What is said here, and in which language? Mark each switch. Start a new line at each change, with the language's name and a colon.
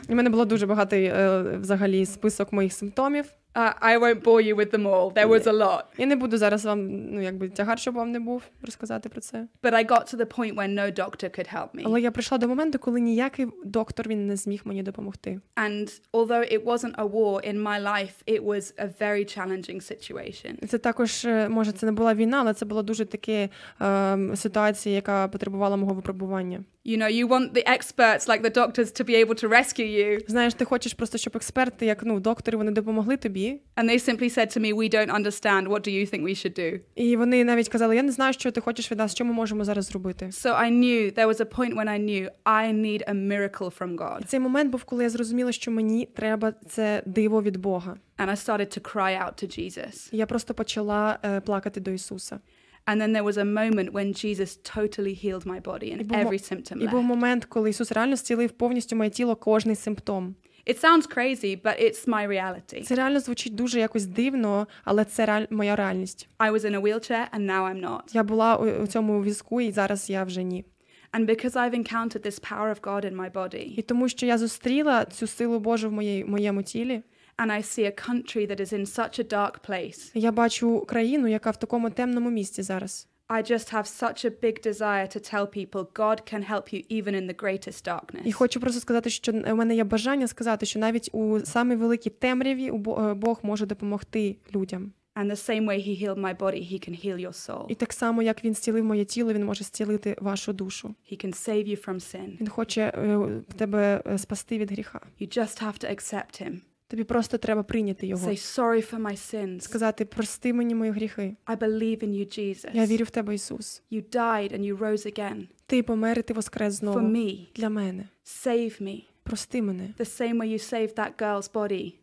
Ukrainian: У мене було дуже багатий взагалі список моїх симптомів.
English: I won't bore you with them all. There was a lot.
Ukrainian: Я не буду зараз вам, ну, якби тягар, щоб вам не був розказати про це.
English: But I got to the point where no doctor could help me.
Ukrainian: Але я прийшла до моменту, коли ніякий доктор він не зміг мені допомогти.
English: And although it wasn't a war in my life, it was a very challenging situation.
Ukrainian: Це також, може, це не була війна, але це була дуже така ситуація, яка потребувала мого випробування.
English: You know, you want the experts like the doctors to be able to rescue you.
Ukrainian: Знаєш, ти хочеш просто, щоб експерти, як, ну, доктори, вони допомогли тобі.
English: And they simply said to me, we don't understand, what do you think we should do?
Ukrainian: І вони навіть казали, я не знаю, що ти хочеш від нас, що ми можемо зараз зробити.
English: So I knew, there was a point when I knew, I need a miracle from God.
Ukrainian: І цей момент був, коли я зрозуміла, що мені треба це диво від Бога.
English: And I started to cry out to Jesus.
Ukrainian: І я просто почала плакати до Ісуса.
English: And then there was a moment when Jesus totally healed my body and every symptom left.
Ukrainian: І був момент, коли Ісус реально зцілив повністю моє тіло, кожний симптом.
English: It sounds crazy, but it's my reality.
Ukrainian: Це реально звучить дуже якось дивно, але це моя реальність.
English: I was in a wheelchair and now I'm not.
Ukrainian: Я була у цьому візку і зараз я вже ні.
English: And because I've encountered this power of God in my body.
Ukrainian: І тому що я зустріла цю силу Божу в моєму тілі.
English: And I see a country that is in such a dark place.
Ukrainian: Я бачу країну, яка в такому темному місці зараз.
English: I just have such a big desire to tell people God can help you even in the greatest darkness.
Ukrainian: І хочу просто сказати, що у мене є бажання сказати, що навіть у самій великій темряві Бог може допомогти людям.
English: And the same way he healed my body, he can heal your soul.
Ukrainian: І так само, як він зцілив моє тіло, він може зцілити вашу душу.
English: He can save you from sin.
Ukrainian: Він хоче тебе спасти від гріха.
English: You just have to accept him.
Ukrainian: Тобі просто треба прийняти його.
English: Say sorry for my sins.
Ukrainian: Сказати: прости мені мої гріхи.
English: I believe in you, Jesus.
Ukrainian: Я вірю в тебе, Ісус.
English: You died and you rose again.
Ukrainian: Ти помер і ти воскрес знову.
English: For me.
Ukrainian: Для мене.
English: Save me.
Ukrainian: Прости мене.
English: The same way you saved that girl's body.